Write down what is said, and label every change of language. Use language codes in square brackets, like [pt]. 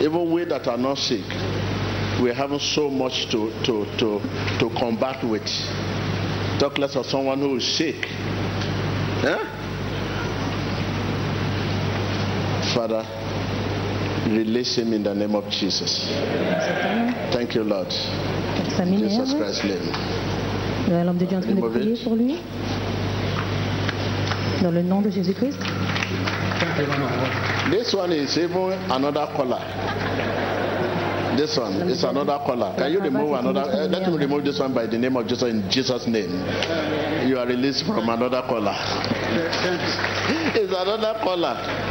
[en] Even we that are not sick, we have so much to combat with. Talk less of someone who is sick. Huh? Father, release him in the name of Jesus. Thank you, Lord. Jesus Christ's name. [fr] Le nom de Dieu en train de prier pour lui. Dans le nom de Jésus Christ. [en] This one is even another color. This one is another color. Can you remove another? Let me remove this one by the name of Jesus, in Jesus' name. You are released from another color. It's another color.